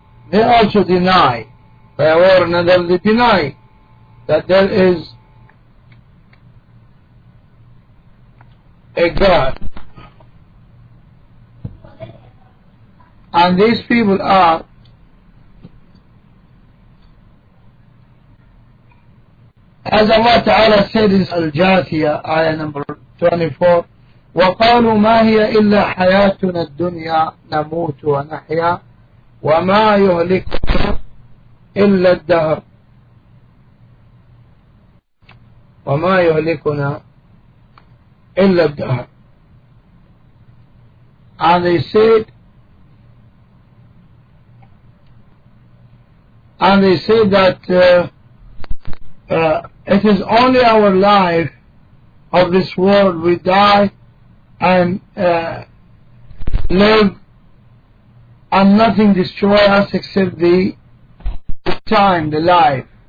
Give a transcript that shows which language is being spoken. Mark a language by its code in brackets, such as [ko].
[en] They also deny, by one another, they deny that there is a God. And these people are as Allah Ta'ala said in Al-Jathiyah ayah number 24, [ar] وَقَالُوا مَا هِيَ إِلَّا حَيَاتُنَا الدُّنْيَا نَمُوتُ وَنَحْيَا وَمَا يُهْلِكُنَا إِلَّا الدَّهْرُ وَمَا يُهْلِكُنَا إِلَّا الدَّهْرُ. [en] And they said, and they say that it is only our life of this world, we die and live, and nothing destroy us except the time, the life.